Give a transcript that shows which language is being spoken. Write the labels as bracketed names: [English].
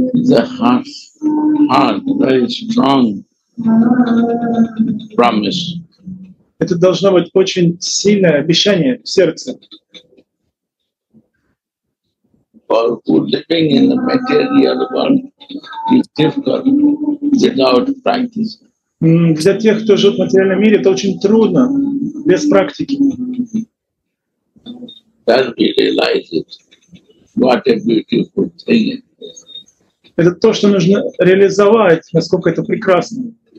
[English] The heart, very strong promise. [Russian] Это должно быть очень сильное обещание в сердце. [English] For who living in the material world is difficult without practice. [Russian] Для тех, кто живет в материальном мире, это очень трудно без практики. [English] Then we realize it. What a beautiful thing. [Russian] Это то, что нужно реализовать, насколько это прекрасно.